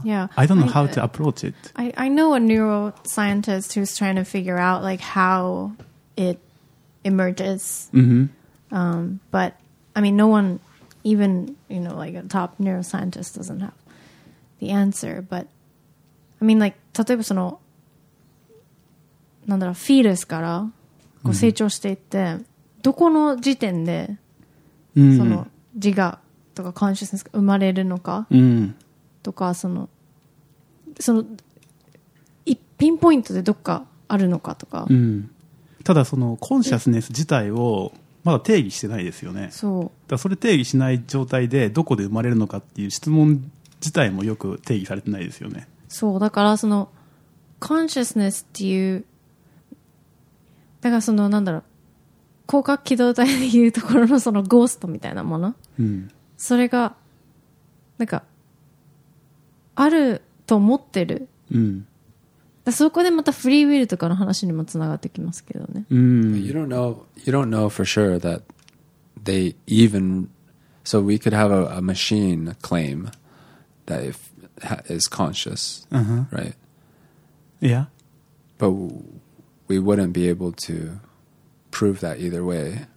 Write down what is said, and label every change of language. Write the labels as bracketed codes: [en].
[en] Yeah. I don't know how to approach it. I know a neuroscientist who's trying to figure out like how it emerges. Mm-hmm. But I mean, no one, even, you know, like a top neuroscientist doesn't have the answer. But I mean, like, [ja] 例えばその、なんだろう、フィーレスからこう成長していって、どこの時点でその自我とかコンシャスネスが生まれるのかとか、その、ピンポイントでどっかあるのかとか。ただそのコンシャスネス自体をまだ定義してないですよね。そう。だからそれ定義しない状態でどこで生まれるのかっていう質問自体もよく定義されてないですよね。そうだからそのコンシャスネスっていう、だからそのなんだろう、高架機動隊でいうところのそのゴーストみたいなもの、うん、それがなんかあると思ってる、うん、だそこでまたフリーウィルとかの話にもつながってきますけどね、うん、 [en] You don't know for sure that they even, so we could have a machine claim that ifis conscious, uh-huh. right? Yeah. But we wouldn't be able to prove that either way.